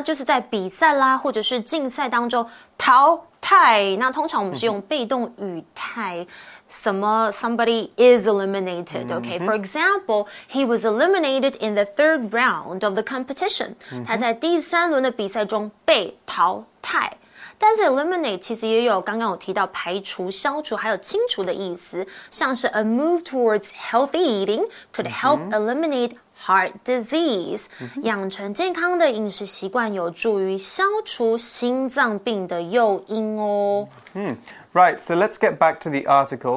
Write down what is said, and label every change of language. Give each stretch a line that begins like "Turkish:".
Chinese: 就是在比赛啦，或者是竞赛当中淘汰。那通常我们是用被动语态。
English: Somebody is eliminated, okay? For example, he was eliminated in the third round of the competition.
Chinese: 他在第三轮的比赛中被淘汰。但是 eliminate 其实也有刚刚有提到排除、消除还有清除的意思，像是
English: a move towards healthy eating could help eliminate heart disease.
Chinese: 养成健康的饮食习惯有助于消除心脏病的诱因哦。
English: Right, so let's get back to the article.